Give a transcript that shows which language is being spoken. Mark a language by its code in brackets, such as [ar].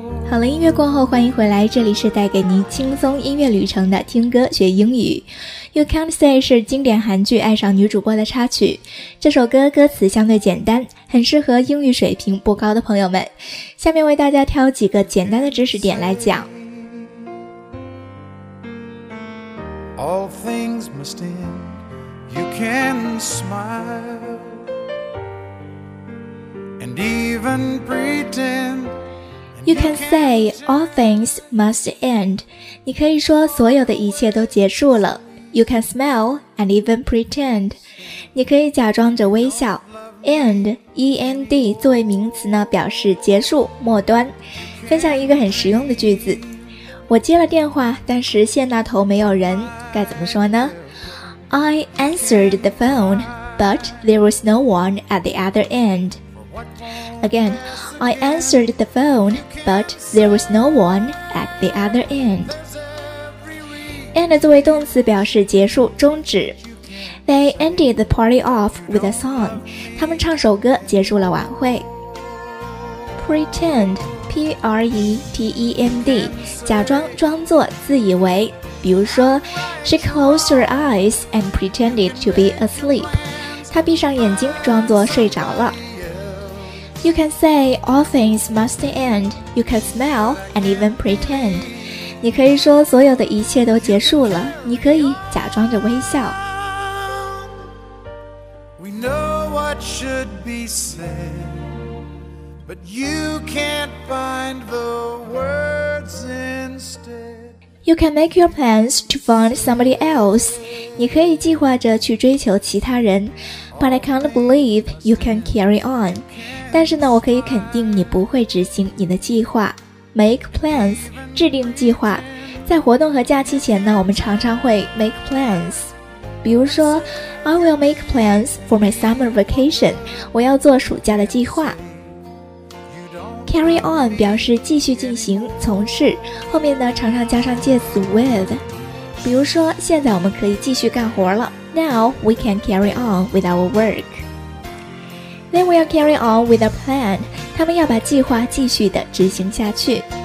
[zh] 好了，音乐过后欢迎回来，这里是带给您轻松音乐旅程的听歌学英语。 You Can't Say 是经典韩剧爱上女主播的插曲，这首歌歌词相对简单，很适合英语水平不高的朋友们。下面为大家挑几个简单的知识点来讲。 [en] All things must end, you can smile and even pretend. You can say all things must end. [zh] 你可以说所有的一切都结束了。 [en] You can smile and even pretend. [zh] 你可以假装着微笑。 End, E-N-D 作为名词呢，表示结束、末端。分享一个很实用的句子。我接了电话，但是线那头没有人，该怎么说呢？ [en] I answered the phone, but there was no one at the other end. Again, I answered the phone, but there was no one at the other end. [zh] End 作为动词表示结束、终止。 [en] They ended the party off with a song. [zh] 他们唱首歌结束了晚会。 [en] Pretend. P-R-E-T-E-N-D [zh] 假装装作自以为，比如说 [en] She closed her eyes and pretended to be asleep. [zh] 她闭上眼睛装作睡着了。 [en] You can say all things must end. You can smile and even pretend. [zh] 你可以说所有的一切都结束了，你可以假装着微笑。 [en] We know what should be saidBut you can't find the words instead. You can make your plans to find somebody else. [zh] 你可以计划着去追求其他人。 [en] But I can't believe you can carry on. [zh] 但是呢，我可以肯定你不会执行你的计划。 Make plans, 制定计划。在活动和假期前呢，我们常常会 make plans。比如说 [en] ,I will make plans for my summer vacation. [zh] 我要做暑假的计划。Carry on 表示继续进行、从事，后面呢常常加上介词 with。比如说，现在我们可以继续干活了。 [en] Now we can carry on with our work. They will carry on with a plan. [zh] 他们要把计划继续的执行下去。